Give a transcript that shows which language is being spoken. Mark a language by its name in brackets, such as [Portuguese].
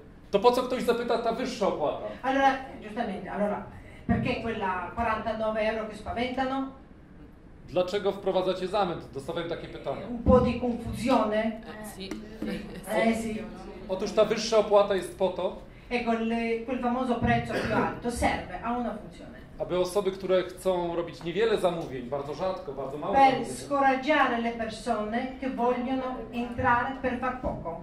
[Polish] To po co ktoś zapyta, ta wyższa opłata? [Italian] Allora, giustamente, allora, perché quella 49 euro che spaventano? [Polish] Dlaczego wprowadzacie zamęt? Dostawałem takie pytanie. [Italian] Un po' di confusione. Sì. [Polish] Otóż ta wyższa opłata jest po to, [Italian] ecco, quel famoso prezzo più alto serve a una funzione. [Polish] Aby osoby, które chcą robić niewiele zamówień, bardzo rzadko, bardzo mało. [Italian] Per scoraggiare le persone che vogliono entrare per far poco.